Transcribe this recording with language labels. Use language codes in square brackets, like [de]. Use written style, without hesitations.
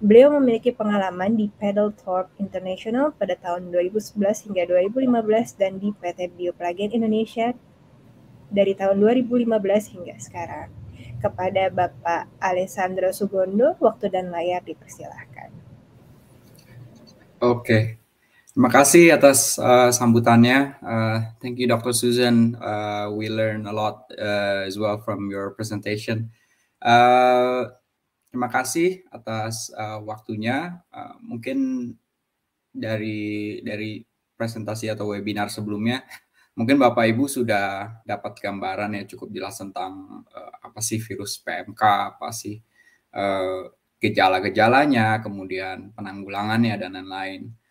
[id] Beliau memiliki pengalaman di Pedalthorpe International pada tahun 2011 hingga 2015 dan di PT Bioplagen Indonesia dari tahun 2015 hingga sekarang. Kepada Bapak Alessandro Sugondo, waktu dan layar dipersilahkan. Oke, terima kasih atas sambutannya. [en] Thank you, Dr. Susan. We learn a lot as well from your presentation. [id] Terima kasih atas waktunya. Mungkin dari presentasi atau webinar sebelumnya, mungkin Bapak Ibu sudah dapat gambaran yang cukup jelas tentang apa sih virus PMK, apa sih gejala-gejalanya, kemudian penanggulangannya dan lain-lain.